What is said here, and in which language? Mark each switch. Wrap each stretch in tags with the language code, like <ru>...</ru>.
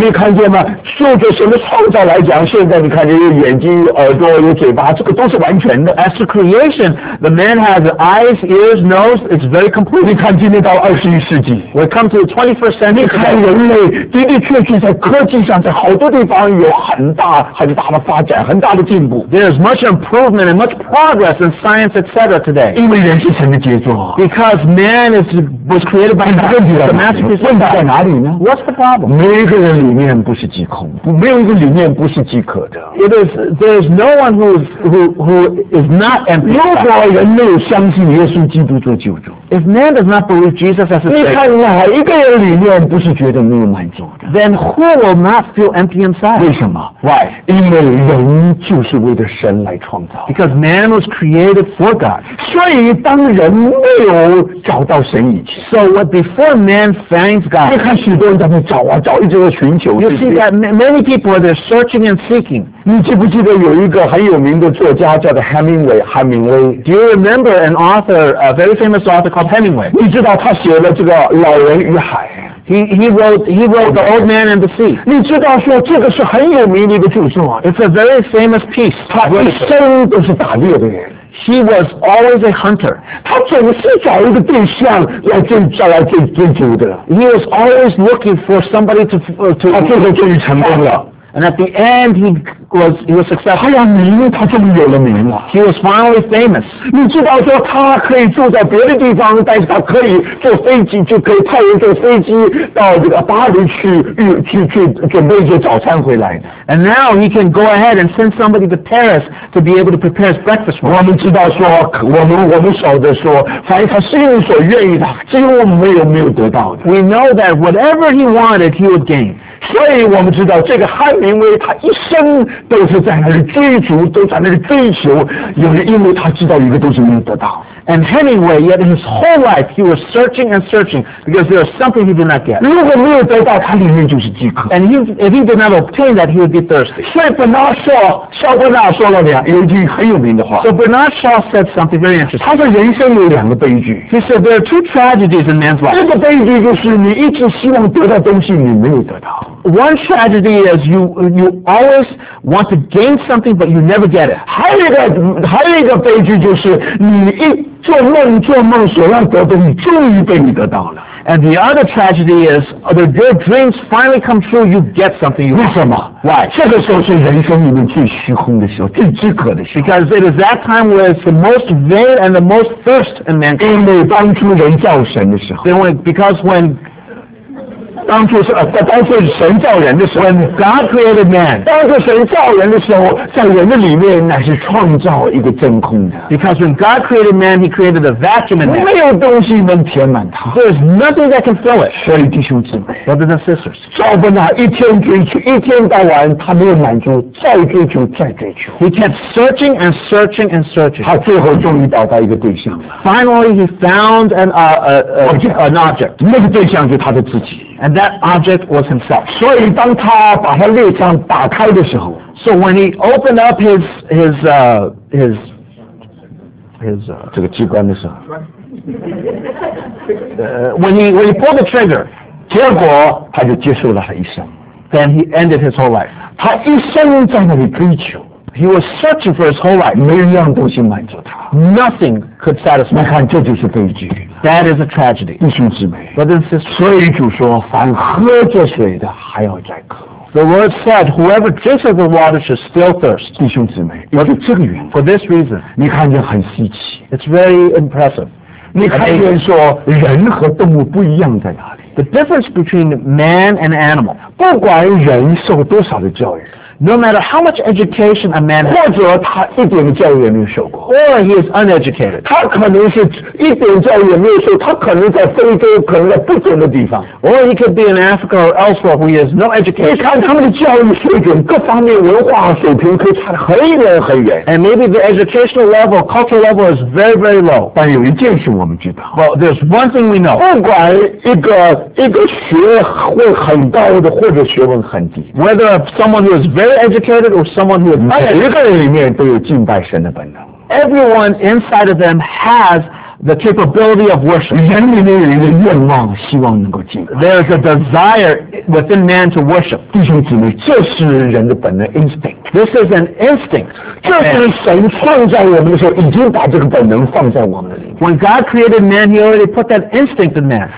<zh>你看见吗就着神的创造来讲现在你看见有眼睛耳朵有嘴巴这个都是完全的</zh> <en>As to creation the man has eyes, ears, nose it's very complete</en> <zh>你看今天到21世纪</zh> <en>We come to the 21st century</en> <zh>你看人类的的确确在科技上在好多地方有很大很大的发展很大的进步</zh> <en>There is much improvement and much progress in science etc. today</en> <zh>因为人是神的杰作</zh> <en>Because man was created by God</en> <zh>问题在哪里呢问题在哪里呢</zh> <en>What's the problem</en> <zh>每一个人里面不是饥空没有一个里面不是饥渴的</zh> <en>It is, There is no one who is not empty</en> <zh>如果人没有相信耶稣基督做救主</zh> <en>If man does not believe Jesus as a</en> <zh>savior 你看哪一个人里面不是觉得没有满足的</zh> <en>Then who will not feel empty inside</en> <zh>为什么</zh> <en>Why</en> <zh>因为人就是为了神来创造</zh> <en>Because man was created for God</en> <zh>所以当人没有找到神以前</zh> <en>So what before man finds God</en> <zh>你看许多人在那找啊找一直在寻求</zh> <en>You see that many people are there searching and seeking</en> <zh>你记不记得有一个很有名的作家叫做 海明威</zh> <en>Do you remember an author a very famous author called Hemingway</en> <zh>你知道他写了这个老人与海</zh> <en>He wrote The Old Man and the Sea</en> <zh>你知道说这个是很有名的一个著作</zh> <en>It's a very famous piece</en> <zh>他一生都是打猎的人</zh> <en>He was always a hunter.</en> <zh>他总是找一个对象来追，找来追追逐的。</zh> <en>He was always looking for somebody to.</en> <zh>他最后终于成功了。</zh> <en>And at the end, he was successful.</en> <zh>他要名，他终于有了名了。</zh> <en>He was finally famous.</en> <zh>你知道说他可以住在别的地方，但是他可以坐飞机，就可以派人坐飞机到这个巴黎去准备一些早餐回来。</zh> <en>And now he can go ahead and send somebody to Paris to be able to prepare his breakfast for</en> <zh>him. 我们知道说，我们晓得说，凡他心里所愿意的，几乎没有得到的。</zh> <en>We know that whatever he wanted, he would gain.</en> <zh>所以我们知道这个汉民威他一生都是在那里追逐都在那里追求有人因为他知道一个都是没有得到</zh> <en>And Hemingway yet his whole life he was searching and searching because there was something he did not get</en> <zh>如果没有得到他里面就是饥渴</zh> <en>And if he did not obtain that he would be thirsty</en> <zh>所以 Bernard Shaw 肖伯纳说了两有一句很有名的话</zh> <en>So Bernard Shaw said something very interesting</en> <zh>他说人生有两个悲剧</zh> <en>He said there are two tragedies in man's life</en> <zh>这个悲剧就是你一直希望得到东西你没有得到</zh> <en>One tragedy is you always want to gain something, but you never get it.</en> <zh>还有一个悲剧就是你一做梦所要得的，你终于被你得到了。</zh> <en>And the other tragedy is the good dreams finally come true, you get something you want.</en> <zh>为什么</zh> <en>Why?</en> <zh>这个时候是人生里面最虚空的时候，最饥渴的时候。</zh> <en>Because it is that time where it's the most vain and the most thirst in mankind.</en> <zh>因为当初人造神的时候。</zh> <en>Because when</en> <zh>当初是当初是神造人的时候</zh> <en>When God created man</en> <zh>当初神造人的时候在人的里面乃是创造一个真空的</zh> <en>Because when God created man He created a vacuum in man</en> <zh>没有东西能填满它</zh> <en>There's nothing that can fill it</en> <zh>所以弟兄姊妹</zh> <en>Brothers and sisters</en> <zh>赵本啊一天追求一天到晚他没有满足再追求再追求</zh> <en>He kept searching and searching and searching</en> <zh>他最后终于找到一个对象了</zh> <en>Finally he found an object</en> <zh>那个对象就是他的自己</zh> <en>And that object was himself.</en> <zh>所以当他把他列将打开的时候</zh> <en>，So when he opened up his</en> <zh>这个机关的时候</zh> <en>，When he pulled the trigger，</en> <zh>结果他就结束了他一生。</zh> <en>Then he ended his whole life.</en> <zh>他一生在那里追求。</zh> <en>He was searching for his whole life.</en> <zh>没一样东西满足他。</zh> <en>Nothing could satisfy.</en> <zh>你看这就是悲剧。</zh> <en>That is a tragedy.</en> <zh>弟兄姊妹。</zh> <en>But then sisters.</en> <zh>所以主说凡喝这水的还要再渴。</zh> <en>The word said, whoever drinks of the water should still thirst.</en> <zh>弟兄姊妹。因为这个原因。</zh> <en>For this reason.</en> <zh>你看见很稀奇。</zh> <en>It's very impressive.</en> <zh>你看见说人和动物不一样在哪里。</zh> <en>The difference between man and animal.</en> <zh>不管人受多少的教育。</zh> <en>No matter how much education a man has,</en> <zh>或者他一点教育也没有受过</zh> <en>or he is uneducated.</en> <zh>他可能是一点教育也没有受，他可能在非洲，可能在不同的地方</zh> <en>or he could be in Africa or elsewhere where he has no education.</en> <zh>你看他们的教育水准，各方面文化水平可以差得很远很远</zh> <en>and maybe the educational level, cultural level is very very low.</en> <zh>但有一件事我们知道</zh> <en>Well, there's one thing we know.</en> <zh>不管一个学问很高的，或者学问很低</zh> <en>whether someone who is very educated or someone who is not educated.</en> <zh>每一个人里面都有敬拜神的本能。</zh> <en>Everyone inside of them has the capability of worship.</en> <zh>人里面有一个愿望，希望能够敬拜。</zh> <en>There is a desire within man to worship.</en> <zh>弟兄姊妹，这是人的本能 instinct.</zh> <en>This is an instinct.</en> <zh>这是神创造我们的时候已经把这个本能放在我们的里面。</zh> <en>When God created man, he already put that instinct in man.</en>